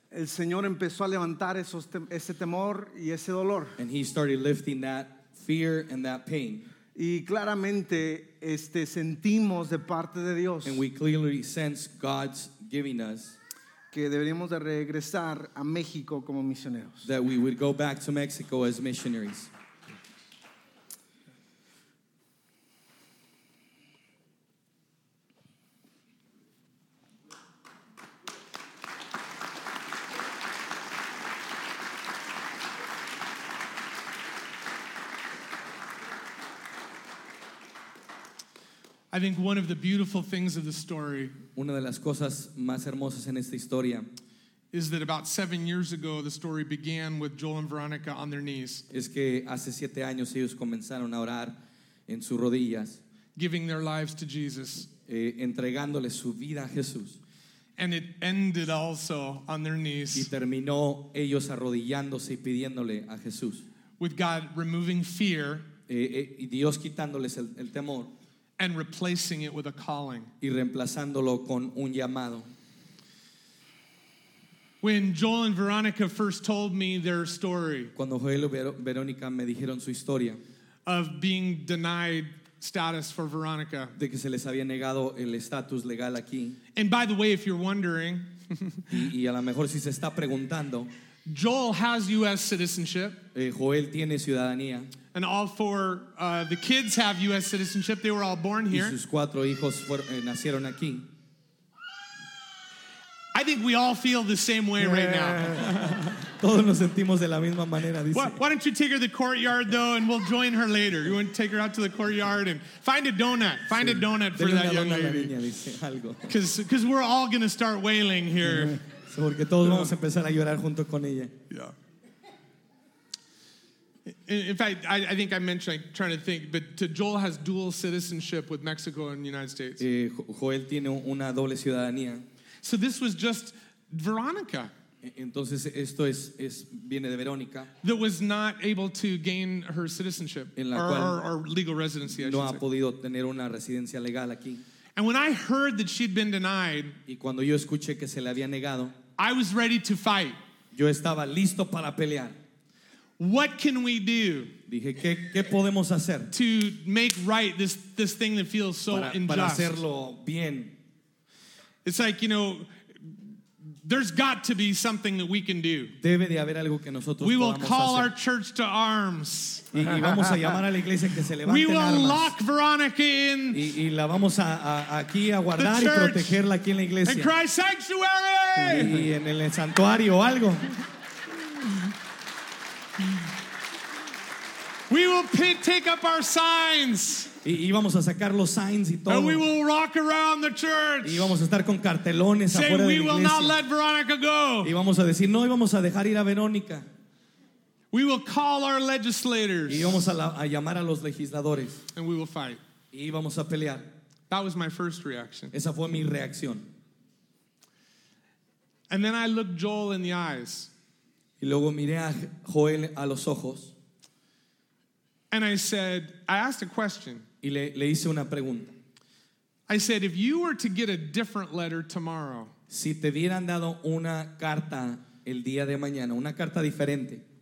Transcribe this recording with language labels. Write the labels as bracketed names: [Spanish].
[Spanish] el Señor empezó a levantar ese temor y ese dolor, [English] and he started lifting that fear and that pain. [Spanish] Y claramente sentimos de parte de Dios, [English] and we clearly sense God's giving us, [Spanish] que deberíamos de regresar a México como misioneros, [English] that we would go back to Mexico as missionaries. I think one of the beautiful things of the story, [Spanish] una de las cosas más hermosas en esta historia, [English] is that about 7 years ago the story began with Joel and Veronica on their knees. [Spanish] Es que hace 7 años ellos comenzaron a orar en sus rodillas, [English] giving their lives to Jesus, [Spanish] entregándole su vida a Jesús. [English] And it ended also on their knees. [Spanish] Y terminó ellos arrodillándose y pidiéndole a Jesús. [English] With God removing fear, [Spanish] y Dios quitándoles el temor, [English] and replacing it with a calling. [Spanish] Y reemplazándolo con un llamado. [English] When Joel and Veronica first told me their story, [Spanish] cuando Joel y Verónica me dijeron su historia, [English] of being denied status for Veronica, [Spanish] de que se les había negado el estatus legal aquí. [English] And by the way, if you're wondering, [Spanish] y a lo mejor si se está preguntando, [English] Joel has U.S. citizenship. [Spanish] Joel tiene ciudadanía. [English] And all four the kids have U.S. citizenship. They were all born here. [Spanish] Y sus cuatro hijos nacieron aquí. [English] I think we all feel the same way right now. [Spanish] Todos nos sentimos de la misma manera, dice. [English] Why don't you take her to the courtyard, though, and we'll join her later. You want to take her out to the courtyard and find a donut. Find a donut for that young lady. Because we're all going to start wailing here. [Spanish] Porque todos vamos a empezar a llorar junto con ella. [English] In fact, I think I mentioned, I'm trying to think, but Joel has dual citizenship with Mexico and the United States. [Spanish] Joel tiene una doble ciudadanía. [English] So this was just Veronica. [Spanish] Entonces esto es viene de Verónica. [English] That was not able to gain her citizenship or legal residency. [Spanish] No ha podido tener una residencia legal aquí. [English] And when I heard that she'd been denied, [Spanish] y cuando yo escuché que se le había negado, [English] I was ready to fight. [Spanish] Yo estaba listo para pelear. [English] What can we do? [Spanish] Dije, ¿qué podemos hacer? [English] To make right this thing that feels so unjust. [Spanish] Para hacerlo bien. [English] It's like, you know, there's got to be something that we can do. [Spanish] Debe de haber algo que nosotros [English] we will [Spanish] podamos [English] call [Spanish] hacer. [English] Our church to arms. [Spanish] Y vamos a llamar a la iglesia que se levante. [English] We will [Spanish] armas. [English] Lock Veronica in. [Spanish] Y la vamos a aquí a guardar y protegerla aquí en la iglesia. [English] And Christ's sanctuary. [Spanish] Y en el santuario o algo. [English] We will take up our signs. [Spanish] Y vamos a sacar los signs y todo. [English] And we will rock around the church. [Spanish] Y vamos a estar con cartelones [English] say, [Spanish] afuera de la iglesia. [English] We will not let Veronica go. [Spanish] Y vamos a decir no y vamos a dejar ir a Verónica. [English] We will call our legislators. [Spanish] Y vamos a llamar a los legisladores. [English] And we will fight. [Spanish] Y vamos a pelear. [English] That was my first reaction. [Spanish] Esa fue mi reacción. [English] And then I looked Joel in the eyes. [Spanish] Y luego miré a Joel a los ojos. [English] And I said, I asked a question. [Spanish] Y le hice una pregunta. [English] I said, if you were to get a different letter tomorrow, [Spanish] si te hubieran dado una carta el día de mañana, una carta diferente,